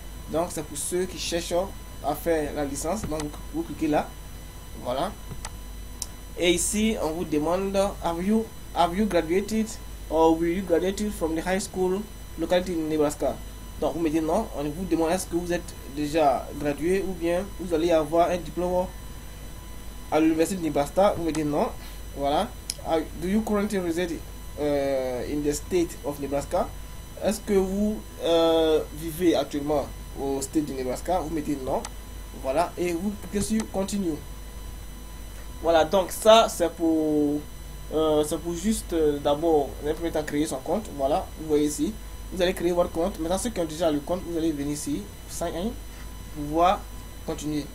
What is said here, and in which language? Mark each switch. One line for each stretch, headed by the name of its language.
French: Donc c'est pour ceux qui cherchent à faire la licence. Donc vous cliquez là. Voilà. Et ici, on vous demande,
English: have you graduated or will you graduate from the high school locality in Nebraska?
French: Donc vous mettez non. On vous demande est-ce que vous êtes déjà gradué ou bien vous allez avoir un diplôme à l'université de Nebraska. Vous mettez non. Voilà.
English: Do you currently reside in the state of Nebraska?
French: Est-ce que vous vivez actuellement au state du Nebraska? Vous mettez non. Voilà. Et vous cliquez sur continue. Voilà, donc ça c'est pour juste d'abord permettre à créer son compte. Voilà, vous voyez ici, vous allez créer votre compte. Maintenant, ceux qui ont déjà le compte, vous allez venir ici, sign in, pouvoir continuer.